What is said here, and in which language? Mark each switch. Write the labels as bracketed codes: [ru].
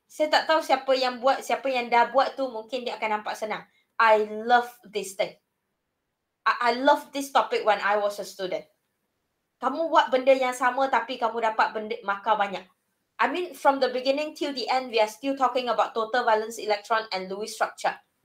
[ms] Saya tak tahu siapa yang buat, siapa yang dah buat tu mungkin dia akan nampak senang. [en] I love this thing. I love this topic when I was a student. [ms] Kamu buat benda yang sama tapi kamu dapat benda markah banyak. [en] I mean, from the beginning till the end, we are still talking about total valence electron and Lewis structure.